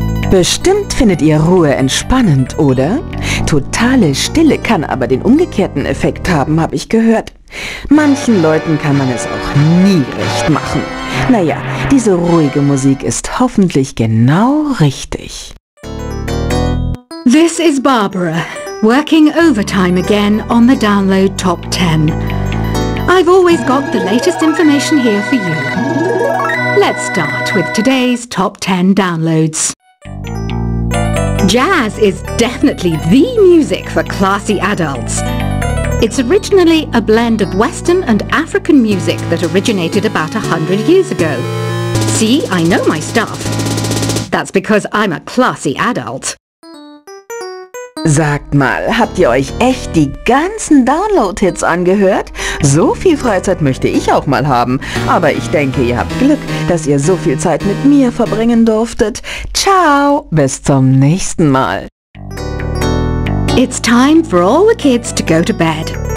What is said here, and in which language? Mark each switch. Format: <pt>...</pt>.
<de>Bestimmt findet ihr Ruhe entspannend, oder? Totale Stille kann aber den umgekehrten Effekt haben, habe ich gehört. Manchen Leuten kann man es auch nie recht machen. Naja, diese ruhige Musik ist hoffentlich genau richtig.</de> <en>This is Barbara, working overtime again on the Download Top 10. I've always got the latest information here for you. Let's start with today's Top 10 Downloads. Jazz is definitely the music for classy adults. It's originally a blend of Western and African music that originated about 100 years ago. See, I know my stuff. That's because I'm a classy adult.</en> <de>Sagt mal, habt ihr euch echt die ganzen Download-Hits angehört? So viel Freizeit möchte ich auch mal haben. Aber ich denke, ihr habt Glück, dass ihr so viel Zeit mit mir verbringen durftet. Ciao, bis zum nächsten Mal.</de> <en>It's time for all the kids to go to bed.</en>